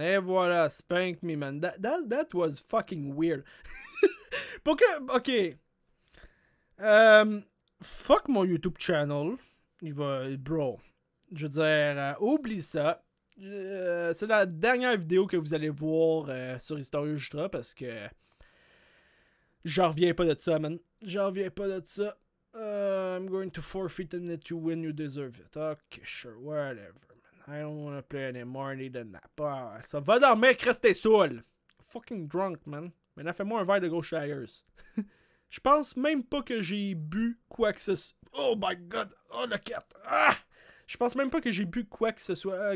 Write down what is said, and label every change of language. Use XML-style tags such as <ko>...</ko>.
<fr>Et voilà,</fr> <en>spank me, man. That was fucking weird. Pourquoi? Ok.</en> <fr>Fuck mon YouTube channel. Il va... Bro. Je veux dire, oublie ça. C'est la dernière vidéo que vous allez voir sur HistorioJutra parce que... Je reviens pas de ça, man. Je reviens pas de ça.</fr> <en>I'm going to forfeit and let you win, you deserve it. Ok, sure, whatever. I don't wanna play anymore, I need a nap.</en> <fr>Ah, ça va dormir, Chris, t'es saoul.</fr> <en>Fucking drunk, man.</en> <fr>Mais là, fais-moi un verre de gauche ailleurs. Je pense même pas que j'ai bu quoi que ce soit.</fr> <en>Oh my God.</en> <fr>Oh, le cat. Ah! Je pense même pas que j'ai bu quoi que ce soit.</fr>